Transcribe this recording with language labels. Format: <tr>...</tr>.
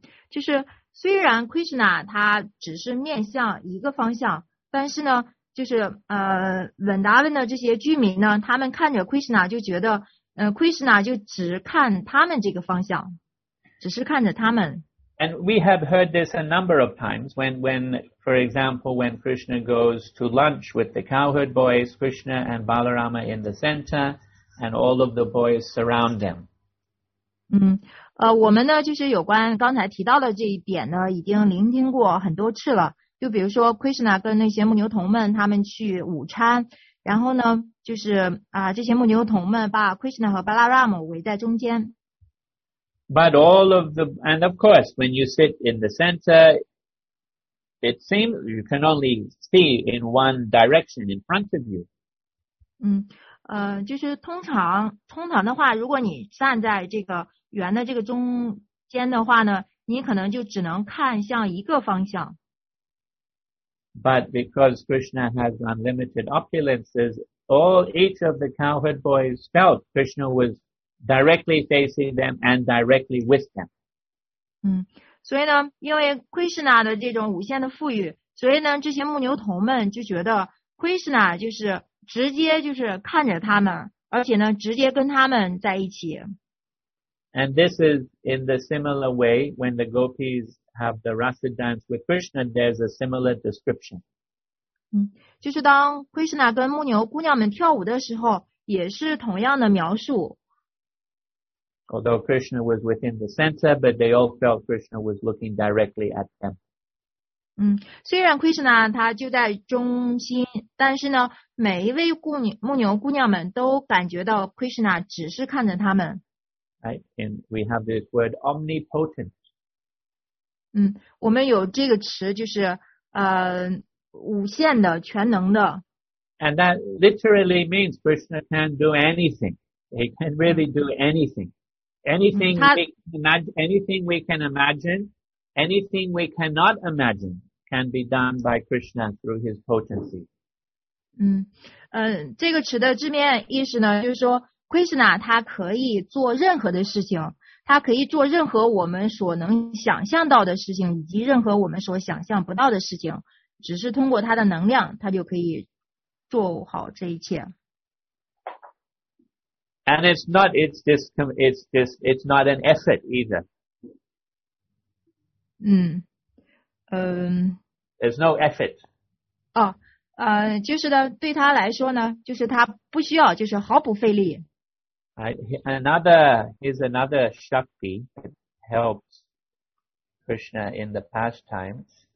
<zh>就是虽然 Krishna 他只是面向一个方向，但是呢，就是文达文的这些居民呢，他们看着 Krishna 就觉得，Krishna 就只看他们这个方向，只是看着他们。</zh> <en>And we have heard this a number of times when, for example, when Krishna goes to lunch with the cowherd boys, Krishna and Balarama in the center. And all of the boys surround them.</en> <zh>我们呢就是有关刚才提到的这一点呢已经聆听过很多次了。就比如说 Krishna 跟那些牧牛童们他们去午餐，然后呢就是这些牧牛童们把 Krishna 和 Balaram 围在中间。</zh> <en>But all of the, and of course, when you sit in the center, it seems you can only see in one direction in front of you.</en> <zh>就是通常的话，如果你站在这个圆的这个中间的话呢，你可能就只能看向一个方向。</zh> <en>But because Krishna has unlimited opulences, all each of the cowherd boys felt Krishna was directly facing them and directly with them.</en> <zh>所以呢，因为 Krishna 的这种无限的富裕，所以呢，这些牧牛童们就觉得 Krishna 就是。直接就是看着他们，而且呢，直接跟他们在一起。</zh> <en>And this is in the similar way when the gopis have the rasa dance with Krishna. There's a similar description.</en> <zh>就是当 Krishna 跟牧牛姑娘们跳舞的时候，也是同样的描述。</zh> <en>Although Krishna was within the center, but they all felt Krishna was looking directly at them.</en> <zh>虽然 Krishna 他就在中心，但是呢，每一位牧牛姑娘们都感觉到 Krishna 只是看着他们。</zh> <en>Right, and we have this word omnipotent.</en> <zh>我们有这个词，就是无限的、全能的。</zh> <en>And that literally means Krishna can do anything. He can really do anything. Anything we can imagine. Anything we cannot imagine can be done by Krishna through his potency.</en> <zh>这个词的字面意思呢，就是说 Krishna 他可以做任何的事情，他可以做任何我们所能想象到的事情，以及任何我们所想象不到的事情，只是通过他的能量，他就可以做好这一切。</zh> <en>And it's not an asset either. 嗯， There's no effort.</en> <zh>哦，就是呢，对他来说呢，就是他不需要，就是毫不费力。</zh> <en>Here's another Shakti that helps Krishna in the pastimes.</en>